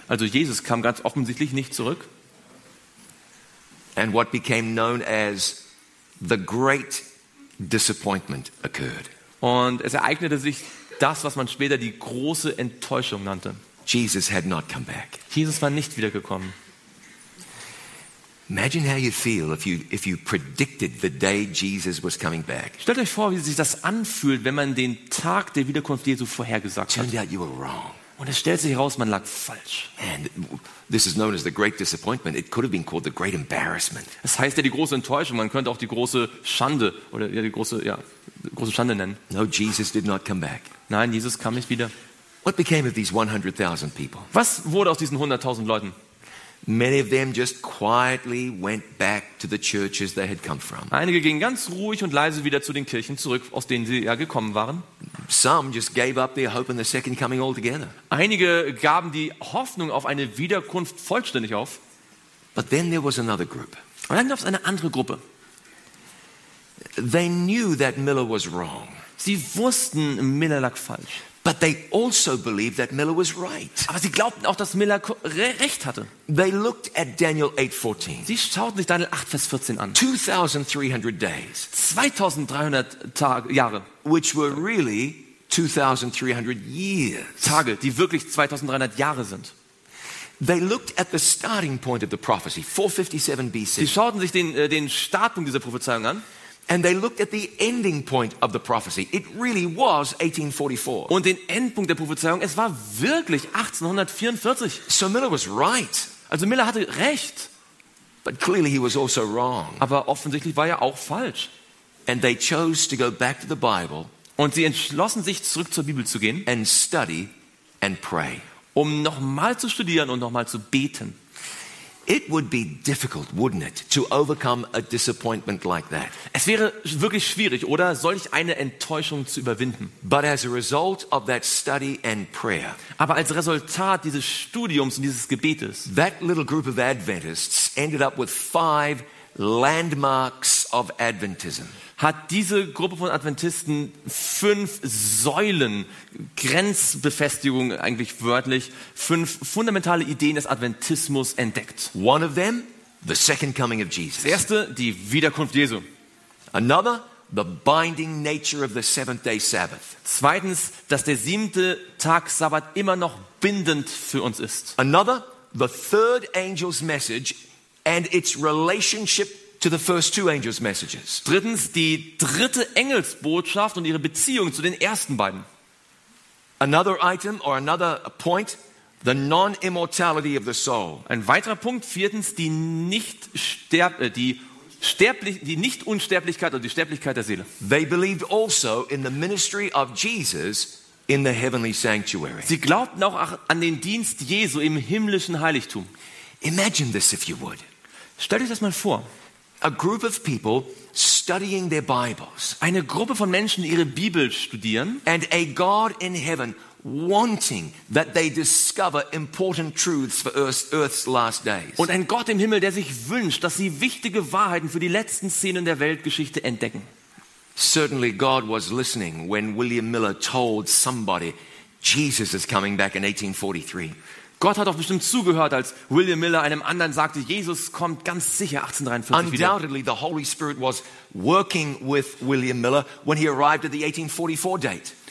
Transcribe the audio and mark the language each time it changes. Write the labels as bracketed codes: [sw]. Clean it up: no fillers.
[de] Also Jesus kam ganz offensichtlich nicht zurück. [en] And what became known as the great disappointment occurred. [de] Und es ereignete sich das, was man später die große Enttäuschung nannte. [en] Jesus had not come back. [de] Jesus war nicht wiedergekommen. [en] Imagine how you feel if you predicted the day Jesus was coming back. [de] Stellt euch vor, wie sich das anfühlt, wenn man den Tag der Wiederkunft Jesu vorhergesagt hat. [en] Turned out you were wrong. [de] Und es stellt sich heraus, man lag falsch. [en] And this is known as the great disappointment. It could have been called the great embarrassment. [de] Das heißt ja die große Enttäuschung. Man könnte auch die große Schande oder ja die große ja große Schande nennen. [en] No, Jesus did not come back. [de] Nein, Jesus kam nicht wieder. [en] What became of these 100,000 people? [de] Was wurde aus diesen 100,000 Leuten? [en] Many of them just quietly went back to the churches they had come from. [de] Einige gingen ganz ruhig und leise wieder zu den Kirchen zurück, aus denen sie ja gekommen waren. [en] Some just gave up their hope in the second coming altogether. [de] Einige gaben die Hoffnung auf eine Wiederkunft vollständig auf. [en] But then there was another group. [de] Und dann gab es eine andere Gruppe. [en] They knew that Miller was wrong. [de] Sie wussten, Miller lag falsch. [en] But they also believed that Miller was right. [de] Aber sie glaubten auch, dass Miller recht hatte. [en] They looked at Daniel 8:14. [de] Sie schauten sich Daniel 8, Vers 14 an. [en] 2300 days. [de] 2300 Jahre. [en] Which were really 2300 years. [de] Tage, die wirklich 2300 Jahre sind. [en] They looked at the starting point of the prophecy, 457 BC. [de] Sie schauten sich den Startpunkt dieser Prophezeiung an. [en] And they looked at the ending point of the prophecy. It really was 1844. [de] Und den Endpunkt der Prophezeiung, es war wirklich 1844. [en] So Miller was right. [de] Also Miller hatte recht. [en] But clearly he was also wrong. [de] Aber offensichtlich war er auch falsch. [en] And they chose to go back to the Bible. [de] Und sie entschlossen sich, zurück zur Bibel zu gehen. [en] And study and pray. [de] Um nochmal zu studieren und nochmal zu beten. [en] It would be difficult, wouldn't it, to overcome a disappointment like that? [de] Es wäre wirklich schwierig, oder? Solch eine Enttäuschung zu überwinden. [en] But as a result of that study and prayer, [de] aber als Resultat dieses Studiums und dieses Gebetes, [en] that little group of Adventists ended up with 5 landmarks of Adventism. [de] Hat diese Gruppe von Adventisten 5 Säulen, Grenzbefestigung eigentlich wörtlich, 5 fundamentale Ideen des Adventismus entdeckt. [en] One of them, the second coming of Jesus. [de] Erste, die Wiederkunft Jesu. [en] Another, the binding nature of the seventh day Sabbath. [de] Zweitens, dass der siebte Tag Sabbat immer noch bindend für uns ist. [en] Another, the third angel's message and its relationship to the first two angels' messages. [de] Drittens, die dritte Engelsbotschaft und ihre Beziehung zu den ersten beiden. [en] Another item or another point, the non-immortality of the soul. [de] Ein weiterer Punkt, viertens, die Nicht-Unsterblichkeit oder die Sterblichkeit der Seele. [en] They believed also in the ministry of Jesus in the heavenly sanctuary. [de] Sie glaubten auch an den Dienst Jesu im himmlischen Heiligtum. [en] Imagine this if you would. [de] Stell dir das mal vor. [en] A group of people studying their Bibles. [de] Eine Gruppe von Menschen, ihre Bibel studieren. [en] And a God in heaven wanting that they discover important truths for Earth's last days. [de] Und ein Gott im Himmel, der sich wünscht, dass sie wichtige Wahrheiten für die letzten Szenen der Weltgeschichte entdecken. [en] Certainly God was listening when William Miller told somebody Jesus is coming back in 1843. [de] Gott hat auch bestimmt zugehört, als William Miller einem anderen sagte, Jesus kommt ganz sicher 1843 wieder. [en] Undoubtedly the Holy Spirit was working with William Miller when he arrived at the 1844 date.